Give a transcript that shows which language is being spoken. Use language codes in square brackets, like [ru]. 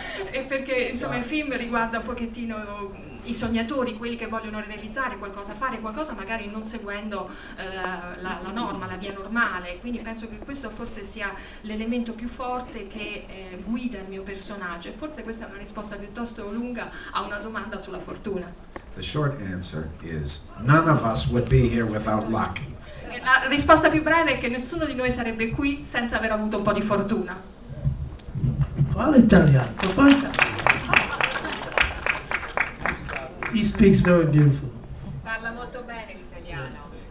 [it] e perché insomma il film riguarda un pochettino i sognatori, quelli che vogliono realizzare qualcosa, fare qualcosa magari non seguendo la norma, la via normale. Quindi penso che questo forse sia l'elemento più forte che guida il mio personaggio, e forse questa è una risposta piuttosto lunga a una domanda sulla fortuna. [en] The short answer is none of us would be here without luck. [it] La risposta più breve è che nessuno di noi sarebbe qui senza aver avuto un po' di fortuna. Parla italiano, parla italiano. [en] He speaks very beautiful. [it] Parla molto bene l'italiano.